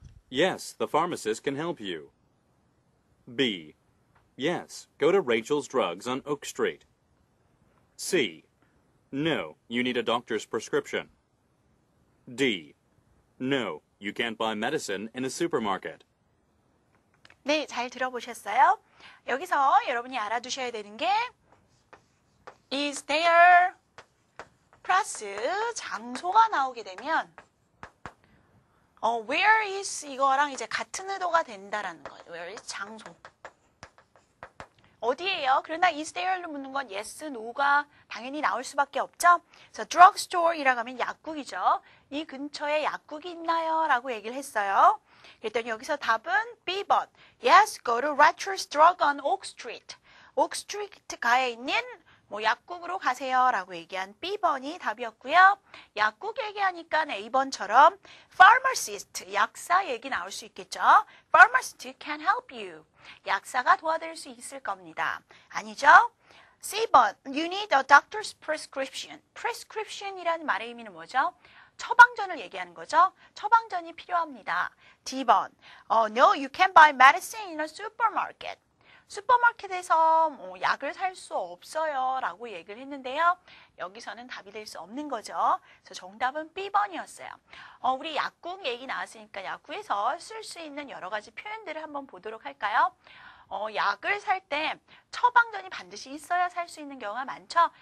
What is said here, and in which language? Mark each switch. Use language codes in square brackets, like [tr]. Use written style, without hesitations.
[en] Yes, the pharmacist can help you. B. Yes, go to Rachel's Drugs on Oak Street. C. No, you need a doctor's prescription. D. No, you can't buy medicine in a supermarket. [ko] 네, 잘 들어보셨어요? 여기서 여러분이 알아두셔야 되는 게 Is there 플러스 장소가 나오게 되면 where is 이거랑 이제 같은 의도가 된다라는 거예요. Where is 장소. 어디예요? 그러나 is there 로 묻는 건 yes, no 가 당연히 나올 수밖에 없죠. 그래서 drugstore이라고 하면 약국이죠. 이 근처에 약국이 있나요? 라고 얘기를 했어요. 그랬더니 여기서 답은 B번. [en] Yes, go to Rachel's Drug on Oak Street. [ko] Oak Street 가에 있는 뭐 약국으로 가세요 라고 얘기한 B번이 답이었고요. 약국 얘기하니까 A번처럼 pharmacist, 약사 얘기 나올 수 있겠죠. [en] Pharmacist can help you. [ko] 약사가 도와드릴 수 있을 겁니다. 아니죠? [en] C번, you need a doctor's prescription. [ko] Prescription이라는 말의 의미는 뭐죠? 처방전을 얘기하는 거죠. 처방전이 필요합니다. [en] D번, no, you can buy medicine in a supermarket. [ko] 슈퍼마켓에서 뭐 약을 살 수 없어요 라고 얘기를 했는데요. 여기서는 답이 될 수 없는 거죠. 그래서 정답은 B번이었어요. 우리 약국 얘기 나왔으니까 약국에서 쓸 수 있는 여러 가지 표현들을 한번 보도록 할까요? 약을 살 때 처방전이 반드시 있어야 살 수 있는 경우가 많죠.